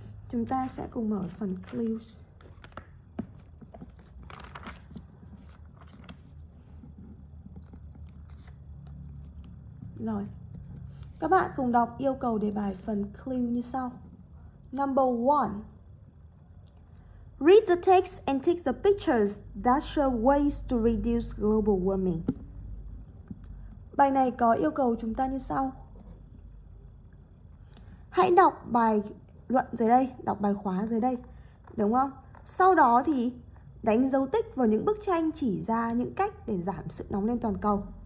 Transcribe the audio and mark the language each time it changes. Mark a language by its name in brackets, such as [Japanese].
[Vietnamese] Chúng ta sẽ cùng mở phần clues. Rồi, các bạn cùng đọc yêu cầu đề bài phần clue như sau. [English] Number 1. Read the text and take the pictures that show ways to reduce global warming. [Vietnamese] Bài này có yêu cầu chúng ta như sau. Hãy đọc bài luận dưới đây, đọc bài khóa dưới đây, đúng không? Sau đó thì đánh dấu tích vào những bức tranh chỉ ra những cách để giảm sự nóng lên toàn cầu.